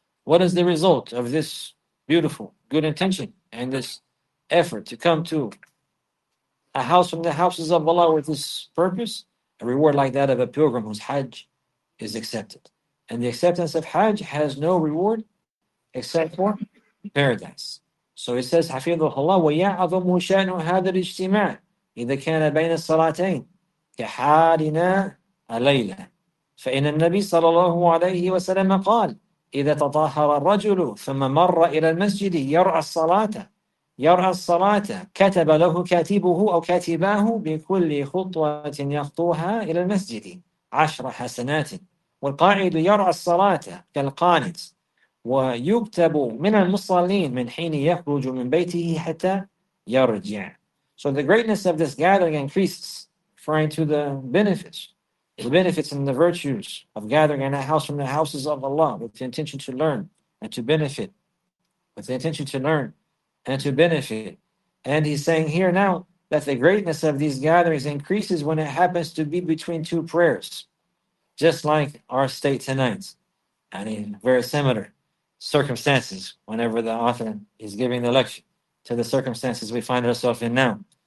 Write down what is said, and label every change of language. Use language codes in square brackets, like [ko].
[en] What is the result of this beautiful, good intention and this effort to come to a house from the houses of Allah with this purpose? A reward like that of a pilgrim whose hajj is accepted. And the acceptance of hajj has no reward except for paradise. So it says, [ar] Hafidhullah, وَيَعَظُمُ شَأْنُ هَذَا الْإِجْتِمَاعِ إِذَا كَانَ بَيْنَ الصَّلَاتَيْنِ كَحَالِنَا أَلَيْلًا فَإِنَّ النَّبِيَّ صَلَى اللَّهُ عَلَيْهِ وَسَلَّمَ قَالَ إِذَا تَطَهَّرَ الرَّجُلُ ثُمَّ مَرَّ إِلَى الْمَسْجِدِ يَرْعَى الصَّلَاةَ يرعى الصلاة كتب له كاتبه أو كاتباه بكل خطوة يخطوها إلى المسجد 10 حسنات والقاعد يرعى الصلاة كالقانت ويكتب من المصلين من حين يخرج من بيته حتى يرجع. [en] So the greatness of this gathering increases, referring to the benefits and the virtues of gathering in a house from the houses of Allah with the intention to learn and to benefit, and to benefit. And he's saying here now that the greatness of these gatherings increases when it happens to be between two prayers, just like our state tonight, and in very similar circumstances, whenever the author is giving the lecture, to the circumstances we find ourselves in now.